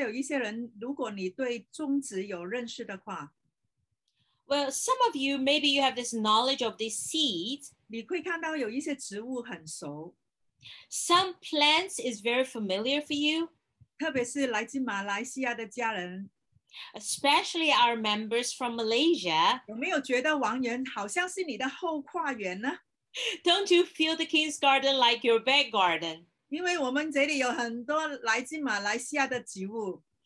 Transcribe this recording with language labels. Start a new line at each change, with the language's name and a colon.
Chinese: 我想大家有一些人，如果你对种植有认识的话。
English: Well, some of you, maybe you have this knowledge of these seeds.
Chinese: 你会看到有一些植物很熟。
English: Some plants is very familiar for you.
Chinese: 特别是来自马来西亚的家人。
English: Especially our members from Malaysia.
Chinese: 有没有觉得王园好像是你的后花园呢？
English: Don't you feel the King's Garden like your back garden?
Chinese: 因为我们这里有很多来自马来西亚的植物。